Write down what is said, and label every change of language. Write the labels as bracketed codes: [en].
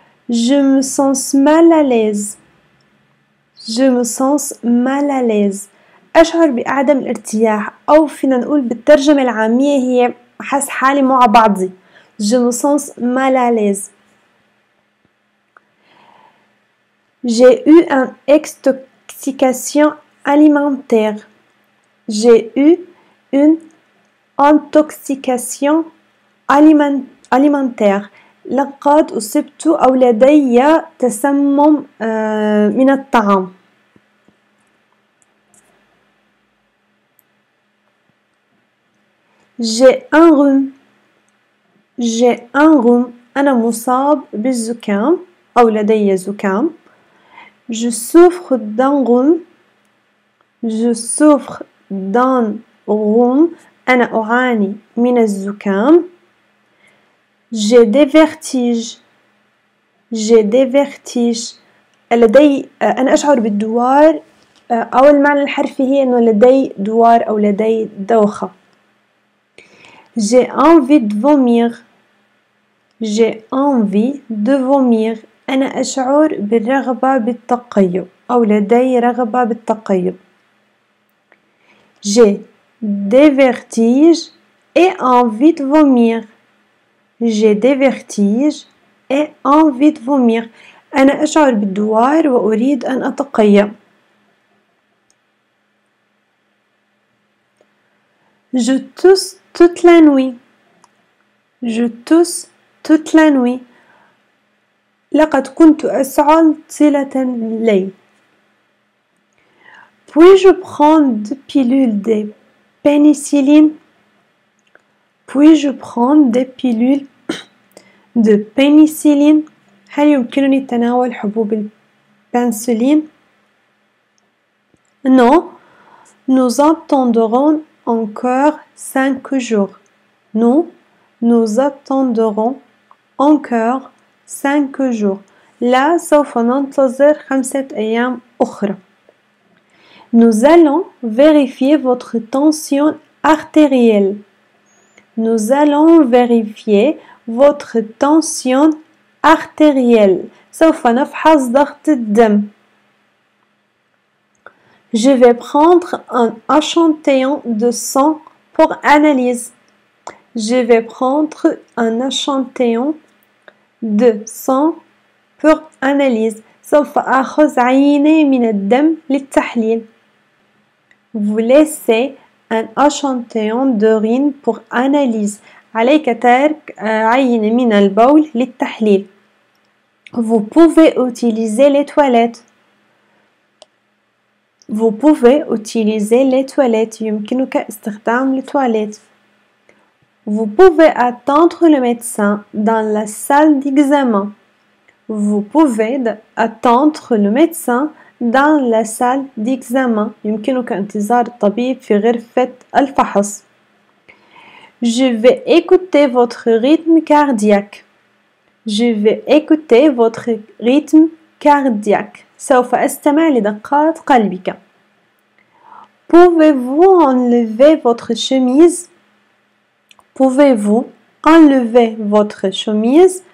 [fr] Je me sens mal à l'aise. Je me sens mal à l'aise. [ar] أشعر بعدم الارتياح أو فينا نقول بالترجمة العامية هي حس حالي مو عبعضي. [fr] Je me sens mal à l'aise. J'ai eu une intoxication alimentaire. J'ai eu une intoxication alimentaire. [ar] لقد أصبت أو لدي تسمم من الطعام. [fr] J'ai un rhume. J'ai un rhume. [ar] أنا مصاب بالزكام أو لدي زكام. [fr] Je souffre d'un rhume. Je souffre d'un rhume. [ar] أنا أعاني من الزكام. [fr] J'ai des vertiges. J'ai des vertiges. [ar] لدي أنا أشعر بالدوار أو المعنى الحرفي هي إنه لدي دوار أو لدي دوخة. [fr] J'ai envie de vomir. J'ai envie de vomir. [ar] أنا أشعر بالرغبة بالتقيؤ أو لدي رغبة بالتقيؤ. [fr] J'ai des vertiges et envie de vomir. J'ai des vertiges et envie de vomir. [ar] أنا أشعر بالدوار وأريد أن أتقيأ. [fr] Je tousse toute la nuit. Je tousse toute la nuit. [ar] لقد كنت أسعل طيلة الليل. [fr] Puis-je prendre deux pilules de pénicilline? Puis-je prendre des pilules de pénicilline. [ar] هل يمكنني تناول حبوب البنسلين؟ [fr] Non, nous attendrons encore 5 jours. Non, nous attendrons encore 5 jours. [ar] Là, سوف ننتظر 5 أيام أخرى. [fr] Nous allons vérifier votre tension artérielle. Nous allons vérifier votre tension [ar] artériel. سوف نفحص ضغط الدم. [fr] Je vais prendre un échantillon de sang pour analyse. Je vais prendre un échantillon de sang pour analyse. [ar] سوف آخذ عينة من الدم للتحليل. [fr] Vous laissez un échantillon d'urine pour analyse. [ar] عليك ترك عينة من البول للتحليل. [fr] Vous pouvez utiliser les toilettes. Vous pouvez utiliser les toilettes. [ar] يمكنك استخدام التواليت. [fr] Vous pouvez attendre le médecin dans la salle d'examen. Vous pouvez attendre le médecin dans la salle d'examen. [ar] يمكنك انتظار الطبيب في غرفة الفحص. [fr] Je vais écouter votre rythme cardiaque. Je vais écouter votre rythme cardiaque. [ar] سوف استمع لدقات قلبك. [fr] Pouvez-vous enlever votre chemise? Pouvez-vous enlever votre chemise?